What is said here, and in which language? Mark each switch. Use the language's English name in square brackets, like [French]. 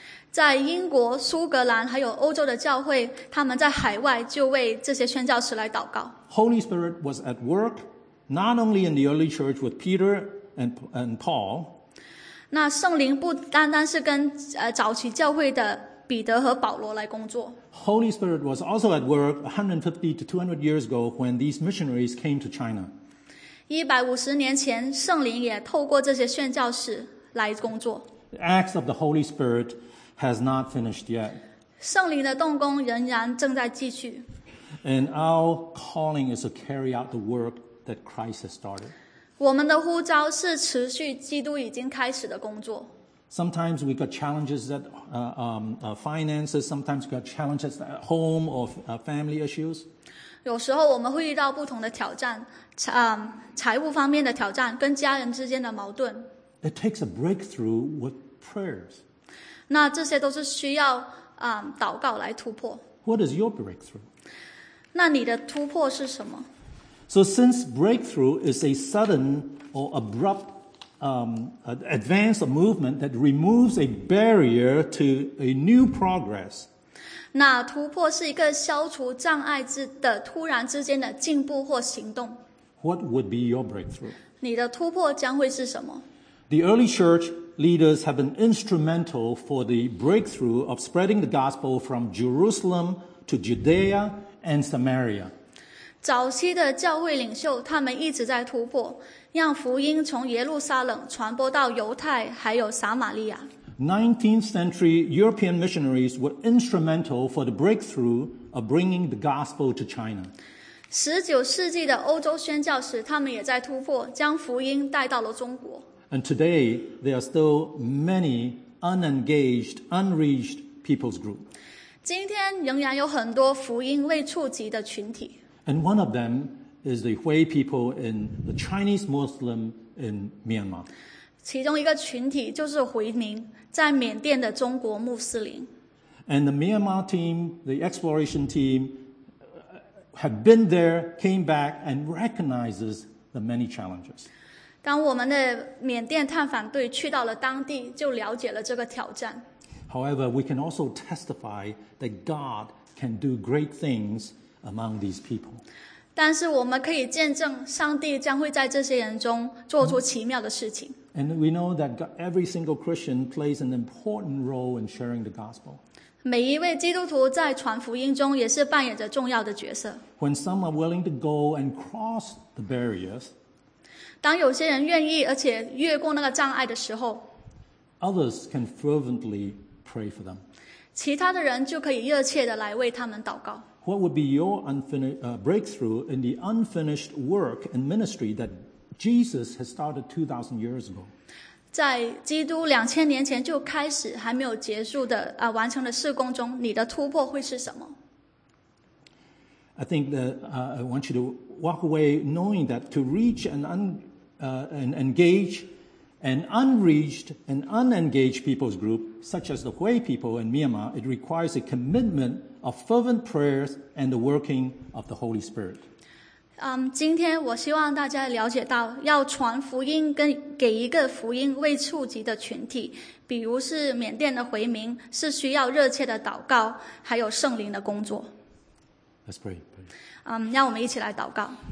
[Chinese] 在英国、苏格兰还有欧洲的教会，他们在海外就为这些宣教士来祷告。 [English] Holy Spirit was at work, not only in the early church with Peter and Paul. [Chinese] 那圣灵不单单是跟早期教会的彼得和保罗来工作。 [English] Holy Spirit was also at work 150 to 200 years ago when these missionaries came to China. [Chinese] 150年前，圣灵也透过这些宣教士来工作。 [English] The acts of the Holy Spirit has not finished yet. [Chinese] 圣灵的动工仍然正在继续。 [English] And our calling is to carry out the work that Christ has started. [Chinese] 我们的呼召是持续基督已经开始的工作。 [English] Sometimes we got challenges that finances, sometimes we got challenges at home or family issues. [Chinese] 有时候我们会遇到不同的挑战，财务方面的挑战，跟家人之间的矛盾。 [English] It takes a breakthrough with prayers. [Chinese] 那这些都是需要祷告来突破。 [English] What is your breakthrough? [Chinese] 那你的突破是什么？ [English] So since breakthrough is a sudden or abrupt advance or movement that removes a barrier to a new progress. [Chinese] 那突破是一个消除障碍之的突然之间的进步或行动。 [English] What would be your breakthrough? [Chinese] 你的突破将会是什么？ [English] The early church leaders have been instrumental for the breakthrough of spreading the gospel from Jerusalem to Judea and Samaria. [Chinese] 早期的教会领袖他们一直在突破，让福音从耶路撒冷传播到犹太还有撒玛利亚。 [English] 19th century European missionaries were instrumental for the breakthrough of bringing the gospel to China. [Chinese] 19世纪的欧洲宣教士他们也在突破，将福音带到了中国。 [English] And today, there are still many unengaged, unreached people's groups. [Chinese] 今天仍然有很多福音未触及的群体。 [English] And one of them is the Hui people in the Chinese Muslim in Myanmar. [Chinese] 其中一个群体就是回民，在缅甸的中国穆斯林。 [English] And the Myanmar team, the exploration team, have been there, came back, and recognizes the many challenges. [Chinese] 当我们的缅甸探访队去到了当地，就了解了这个挑战。 [English] However, we can also testify that God can do great things among these people. [Chinese] 但是我们可以见证上帝将会在这些人中做出奇妙的事情。 [English] And we know that every single Christian plays an important role in sharing the gospel. [Chinese] 每一位基督徒在传福音中也是扮演着重要的角色。 [English] When some are willing to go and cross the barriers, [Chinese] 当有些人愿意而且越过那个障碍的时候， [English] Others can fervently pray for them. [Chinese] 其他的人就可以热切地来为他们祷告。 [English] What would be your breakthrough in the unfinished work and ministry that Jesus has started 2,000 years ago? [Chinese] 在基督2000年前就开始还没有结束的完成的事工中，你的突破会是什么？ [English] I think that I want you to walk away knowing that to reach an engaged, an unreached, an unengaged people's group, such as the Hui people in Myanmar, it requires a commitment of fervent prayers and the working of the Holy Spirit. [Chinese] 今天我希望大家了解到，要传福音跟给一个福音未触及的群体，比如是缅甸的回民，是需要热切的祷告，还有圣灵的工作。 [English] Let's pray. [Chinese] 让我们一起来祷告。